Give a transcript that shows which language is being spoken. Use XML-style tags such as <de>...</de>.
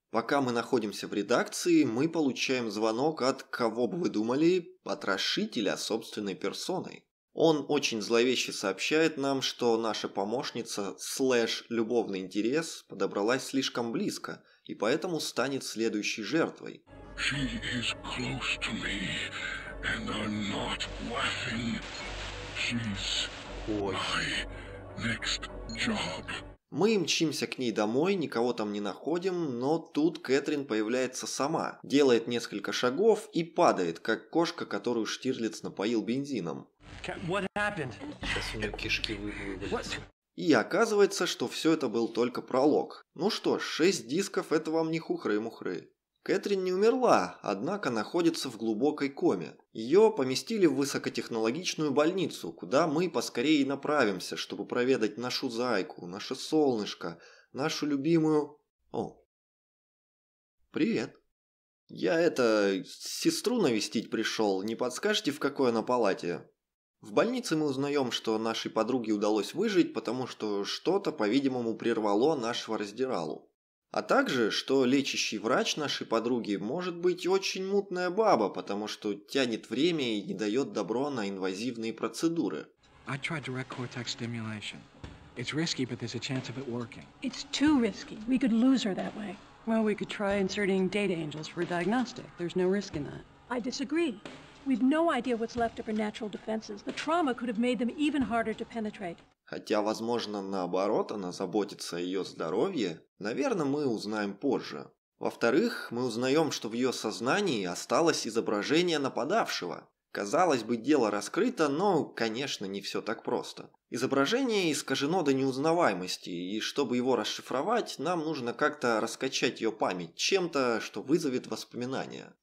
<ru>Пока мы находимся в редакции, мы получаем звонок от, кого бы вы думали, потрошителя собственной персоной. Он очень зловеще сообщает нам, что наша помощница /любовный интерес подобралась слишком близко и поэтому станет следующей жертвой.</ru> <en>She is close to me, and I'm not laughing. She's my next job.</en> <ru>Мы мчимся к ней домой, никого там не находим, но тут Кэтрин появляется сама, делает несколько шагов и падает, как кошка, которую Штирлиц напоил бензином.</ru> <en>What happened?</en> <ru>Сейчас у нее кишки вывалились. И оказывается, что все это был только пролог. Ну что ж, 6 дисков — это вам не хухры-мухры. Кэтрин не умерла, однако находится в глубокой коме. Ее поместили в высокотехнологичную больницу, куда мы поскорее направимся, чтобы проведать нашу зайку, наше солнышко, нашу любимую... О, привет. Я это, сестру навестить пришел, не подскажете, в какой она палате? В больнице мы узнаем, что нашей подруге удалось выжить, потому что что-то, по-видимому, прервало нашего раздиралу. А также, что лечащий врач нашей подруги может быть очень мутная баба, потому что тянет время и не дает добро на инвазивные процедуры.</ru> <en>I tried direct cortex stimulation. It's risky, but there's a chance of it working. It's too risky. We could lose her that way. Well, we could try inserting data angels for diagnostic. There's no risk in that. I disagree. We've no idea what's left of her natural defenses. The trauma could have made them even harder to penetrate.</en> <ru>Хотя, возможно, наоборот, она заботится о ее здоровье, наверное, мы узнаем позже. Во-вторых, мы узнаем, что в ее сознании осталось изображение нападавшего. Казалось бы, дело раскрыто, но, конечно, не все так просто. Изображение искажено до неузнаваемости, и чтобы его расшифровать, нам нужно как-то раскачать ее память чем-то, что вызовет воспоминания.</ru>